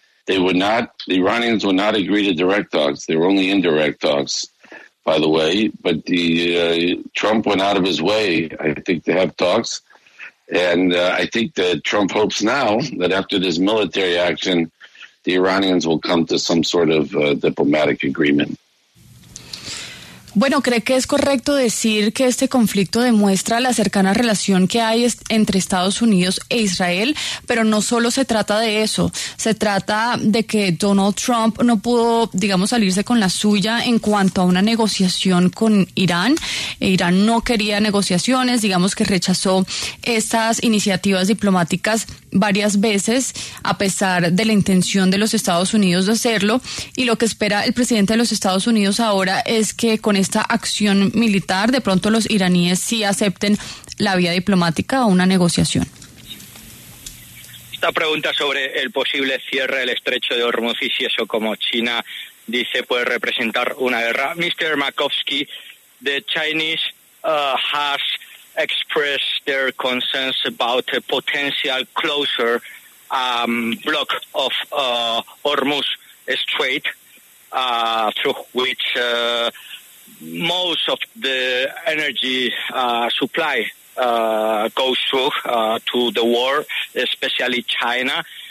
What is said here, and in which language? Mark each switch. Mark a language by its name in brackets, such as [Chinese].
[English] The Iranians would not agree to direct talks. They were only indirect talks, by the way. But the Trump went out of his way, I think, to have talks, and I think that Trump hopes now that after this military action, the Iranians will come to some sort of diplomatic agreement. [Spanish] Bueno, ¿cree que es correcto decir que este conflicto demuestra la cercana relación que hay entre Estados Unidos e Israel? Pero no solo se trata de eso, se trata de que Donald Trump no pudo, digamos, salirse con la suya en cuanto a una negociación con Irán. Irán no quería negociaciones, digamos que rechazó estas iniciativas diplomáticas varias veces, a pesar de la intención de los Estados Unidos de hacerlo. Y lo que espera el presidente de los Estados Unidos ahora es que con esta acción militar, de pronto los iraníes sí acepten la vía diplomática o una negociación. Esta pregunta sobre el posible cierre del estrecho de Hormuz y si eso, como China dice, puede representar una guerra. [English] Mr. Makovsky, the Chinese has expressed their concerns about a potential closure block of Hormuz Strait, through which most of the energy supply goes through to the world, especially China.